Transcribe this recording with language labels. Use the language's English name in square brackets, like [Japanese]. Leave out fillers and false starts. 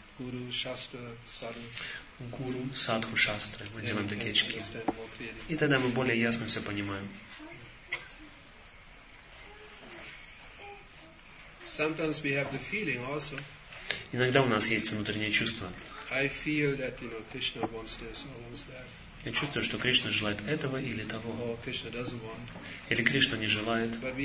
[Russian] Гуру, шастра, садху. Гуру, садху, шастры. Мы делаем такие очки. И тогда мы более ясно все понимаем. [English] Sometimes we have the feeling also. [Russian] Иногда у нас есть внутреннее чувство. [English] I feel that, you know, Krishna wants this or wants that. [Russian] Я чувствую, что Кришна желает этого или того. Или Кришна не желает.